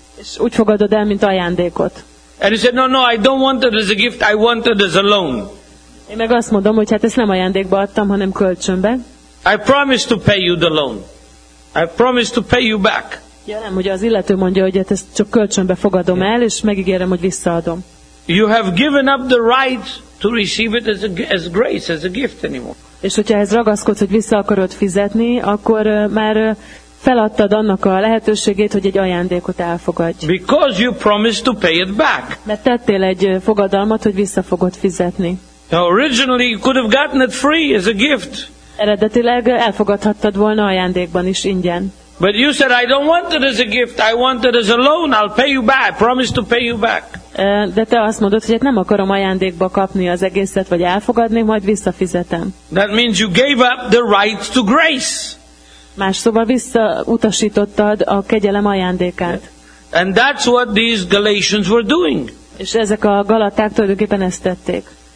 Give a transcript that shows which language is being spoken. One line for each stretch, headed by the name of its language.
Hungarian: És úgy fogadod el, mint ajándékot.
English: And you said, no, I don't want it as a gift, I want it as a loan.
Hungarian: Én meg azt mondom, hogy hát ezt nem ajándékba adtam, hanem kölcsönbe.
English: I promise to pay you the loan. I promise to pay you back.
Hungarian: Ja, nem, hogy az illető mondja, hogy hát ezt csak kölcsönbe fogadom el, és megígérem, hogy visszaadom.
English: You have given up the right to receive it as grace, as a gift anymore.
Hungarian: És hogyha ez ragaszkodsz, hogy vissza akarod fizetni, akkor már feladtad annak a lehetőségét, hogy egy ajándékot elfogadj.
English: Because you promised to pay it back.
Hungarian: Mert tettél egy fogadalmat, hogy vissza fogod fizetni.
English: Now, originally you could have gotten it free as a gift.
Hungarian: Eredetileg elfogadhattad volna ajándékban is ingyen.
English: But you said I don't want it as a gift. I want it as a loan. I'll pay you back. Promise to pay you back.
Hungarian: De te azt mondod, hogy nem akarom ajándékba kapni az egészet, vagy elfogadni, majd visszafizetem.
English: That means you gave up the right to grace.
Hungarian: Más szóval visszautasítottad a kegyelem ajándékát.
English: Yeah. And that's what these Galatians were doing.
Hungarian: És ezek a galaták tulajdonképpen ezt tették.